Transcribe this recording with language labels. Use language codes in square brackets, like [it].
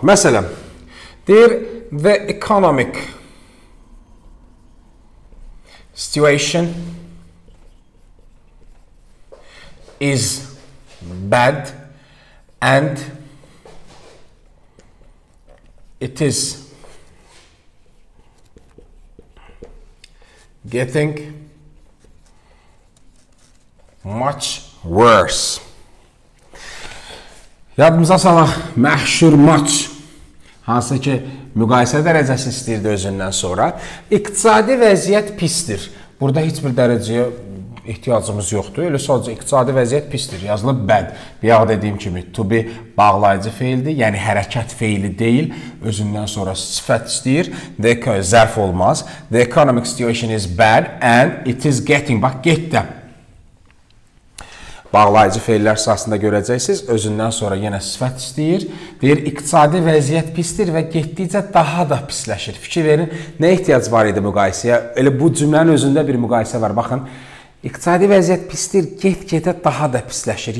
[az] Məsələn, deyir, [en] the economic situation is bad and it is getting much worse. [az] Yadımıza salaq, məhşur much. Hansı ki, müqayisə dərəcəsi istəyirdi özündən sonra. İqtisadi vəziyyət pisdir. Burada heç bir dərəcəyə ehtiyacımız yoxdur. Elə sadəcə, iqtisadi vəziyyət pisdir. Yazılıb bad. Bir yaq dediyim kimi, to be bağlayıcı feildir. Yəni, hərəkət feili deyil. Özündən sonra sifət istəyir. Zərf olmaz. [en] The economic situation is bad and it is getting. [az] Bax, get də. Bağlayıcı feillər sırasında görəcəksiniz. Özündən sonra yenə sifət istəyir. Deyir, iqtisadi vəziyyət pisdir və getdikcə daha da pisləşir. Fikir verin, nə ehtiyac var idi müqayisəyə? Elə bu cümlənin özündə bir müqayisə var. Baxın, İqtisadi vəziyyət pisdir, get-getə daha da pisləşir.